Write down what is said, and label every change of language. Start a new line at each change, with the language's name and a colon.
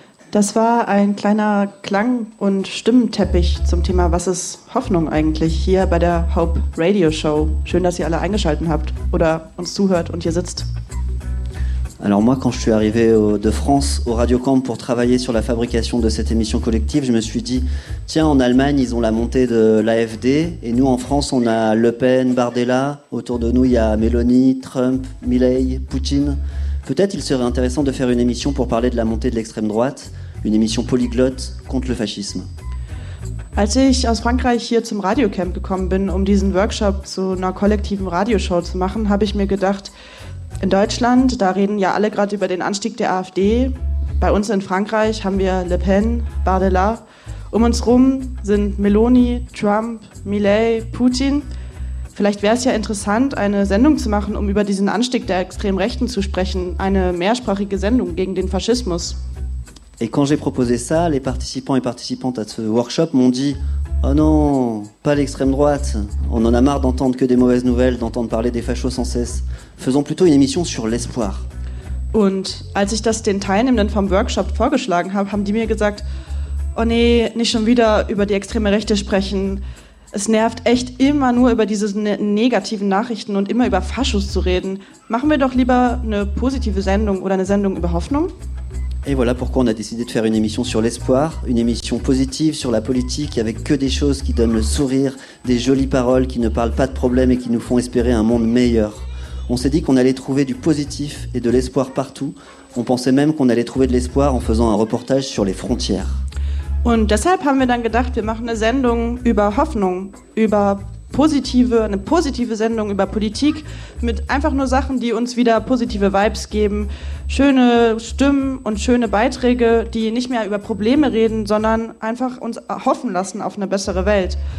German: Das war ein kleiner Klang- und Stimmenteppich zum Thema Was ist Hoffnung eigentlich hier bei der Hope Radio Show. Schön, dass ihr alle eingeschaltet habt oder uns zuhört und hier sitzt.
French: Alors moi, quand je suis arrivé de France au Radiocamp pour travailler sur la fabrication de cette émission collective, je me suis dit, tiens, en Allemagne, ils ont la montée de l'AFD, et nous, en France, on a Le Pen, Bardella, autour de nous, il y a Mélanie, Trump, Milei, Poutine. Peut-être il serait intéressant de faire une émission pour parler de la montée de l'extrême droite, une émission polyglotte contre le fascisme.
German: Als ich aus Frankreich hier zum Radiocamp gekommen bin, um diesen Workshop zu einer kollektiven Radioshow zu machen, habe ich mir gedacht, in Deutschland, da reden ja alle gerade über den Anstieg der AfD. Bei uns in Frankreich haben wir Le Pen, Bardella. Um uns rum sind Meloni, Trump, Milei, Putin. Vielleicht wäre es ja interessant, eine Sendung zu machen, um über diesen Anstieg der extremen Rechten zu sprechen. Eine mehrsprachige Sendung gegen den Faschismus.
French: Et quand j'ai proposé ça, les participants et participantes à ce workshop m'ont dit « Oh non, pas l'extrême droite. On en a marre d'entendre que des mauvaises nouvelles, d'entendre parler des fachos sans cesse. Faisons plutôt une émission sur l'espoir. »
German: Und als ich das den Teilnehmenden vom Workshop vorgeschlagen habe, haben die mir gesagt, oh nee, nicht schon wieder über die extreme Rechte sprechen. Es nervt echt immer nur über diese negativen Nachrichten und immer über Faschos zu reden. Machen wir doch lieber eine positive Sendung oder eine Sendung über Hoffnung.
French: Et voilà pourquoi on a décidé de faire une émission sur l'espoir, une émission positive sur la politique avec que des choses qui donnent le sourire, des jolies paroles qui ne parlent pas de problèmes et qui nous font espérer un monde meilleur. On s'est dit qu'on allait trouver du positif et de l'espoir partout. On pensait même qu'on allait trouver de l'espoir en faisant un reportage sur les frontières.
German: Und deshalb haben wir dann gedacht, wir machen eine Sendung über Hoffnung, über eine positive Sendung über Politik mit einfach nur Sachen, die uns wieder positive Vibes geben, schöne Stimmen und schöne Beiträge, die nicht mehr über Probleme reden, sondern einfach uns hoffen lassen auf eine bessere Welt.